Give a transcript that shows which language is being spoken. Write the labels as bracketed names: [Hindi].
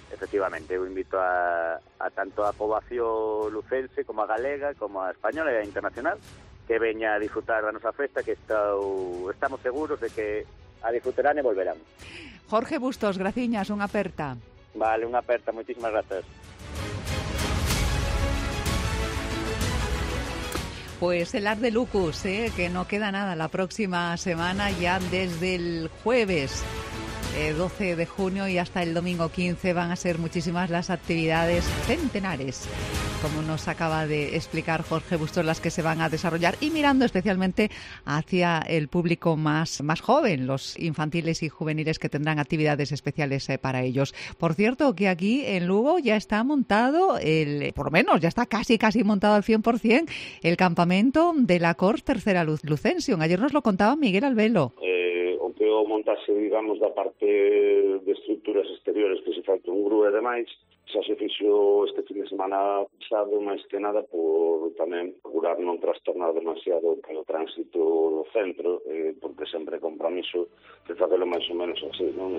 [Galician] Efectivamente, eu invito a tanto a poboación lucense como a galega, como a española e a internacional, que veña a disfrutar da nosa festa, que estamos seguros de que a disfrutarán e volverán. Jorge Bustos, graciñas, unha aperta. Vale, unha aperta, moitísimas grazas. [Spanish] Pues el Ar de Lucos, que no queda nada la próxima semana, ya desde el jueves 12 de junio y hasta el domingo 15 van a ser muchísimas las actividades centenares, como nos acaba de explicar Jorge Bustos, las que se van a desarrollar, y mirando especialmente hacia el público más joven, los infantiles y juveniles que tendrán actividades especiales para ellos. Por cierto, que aquí en Lugo ya está montado, ya está casi montado al 100%, el campamento de la COR Tercera Lucensión. Ayer nos lo contaba Miguel Albelo. [Galician] O montase, digamos, da parte de estruturas exteriores que se falta un grúa e demais, xa se fixo este fin de semana pasado, máis que nada, por tamén procurar non trastornar demasiado o tránsito do centro, porque sempre compromiso de facelo máis ou menos así, non?